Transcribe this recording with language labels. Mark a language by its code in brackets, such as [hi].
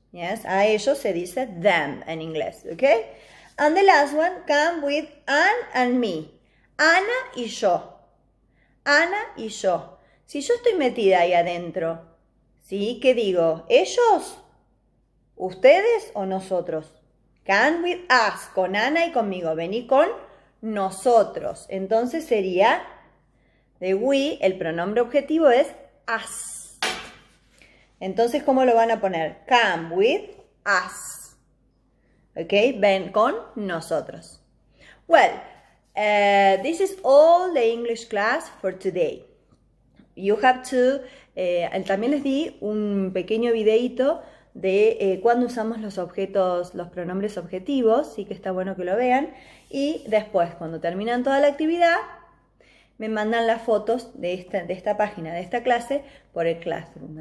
[es] Yes, a ellos se dice them en inglés. [en] Okay? And the last one, come with Anne and me. [es] Ana y yo. Ana y yo. Si yo estoy metida ahí adentro, ¿sí? ¿Qué digo? ¿Ellos? ¿Ustedes o nosotros? [en] Come with us, [es] con Ana y conmigo. Vení con nosotros. Entonces sería, de we, el pronombre objetivo es us. Entonces, ¿cómo lo van a poner? [en] Come with us. [es] ¿Ok? Ven con nosotros. [en] Well, this is all the English class for today. You have to, [es] también les di un pequeño videito de cuándo usamos los objetos, los pronombres objetivos, sí que está bueno que lo vean. Y después, cuando terminan toda la actividad, me mandan las fotos de esta página, de esta clase, por el Classroom.